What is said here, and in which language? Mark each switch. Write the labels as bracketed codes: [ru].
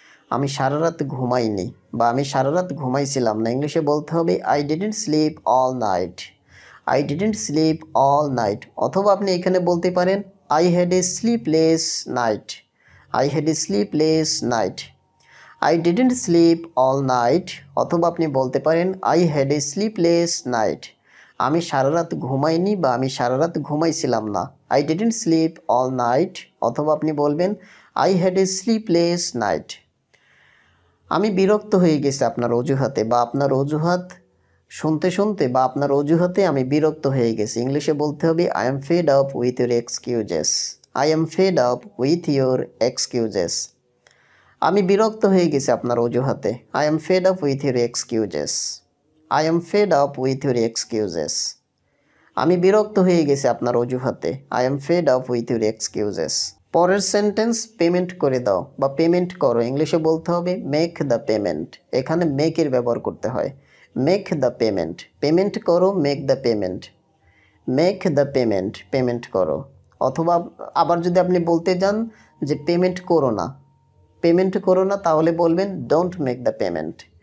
[bn] আমি সারা রাত ঘুমাইনি বা আমি সারা রাত ঘুমাইছিলাম না, ইংলিশে বলতে হবে [en] I didn't sleep all night, I didn't sleep all night. [bn] অথবা আপনি এখানে বলতে পারেন [en] I had a sleepless night. I had a sleepless night. I didn't sleep all night. [bn] অথবা আপনি বলতে পারেন [en] I had a sleepless night. [bn] আমি সারা রাত ঘুমাইনি বা আমি সারা রাত ঘুমাইছিলাম না. [en] I didn't sleep all night. [bn] অথবা আপনি বলবেন [en] I had a sleepless night. [bn] আমি বিরক্ত হয়ে গেছি আপনার অজুহাতে বা আপনার অজুহাত শুনতে শুনতে বা আপনার অজুহাতে আমি বিরক্ত হয়ে গেছি. ইংলিশে বলতে হবে [en] I am fed up with your excuses. I am fed up with your excuses. [bn] আমি বিরক্ত হয়ে গেছি আপনার অজুহাতে. [en] I am fed up with your excuses. I am fed up with your excuses. [bn] আমি বিরক্ত হয়ে গেছি আপনার অজুহাতে. [en] I am fed up with your excuses. [bn] পরের সেন্টেন্স পেমেন্ট করে দাও বা পেমেন্ট করো. ইংলিশে বলতে হবে [en] Make the payment. [bn] এখানে মেক এর ব্যবহার করতে হয়, [en] Make the payment. [bn] পেমেন্ট করো, make the payment. Make the payment, payment করো. অথবা আবার যদি আপনি বলতে যান যে পেমেন্ট করো না, পেমেন্ট করো না, তাহলে বলবেন [en] Don't make the payment.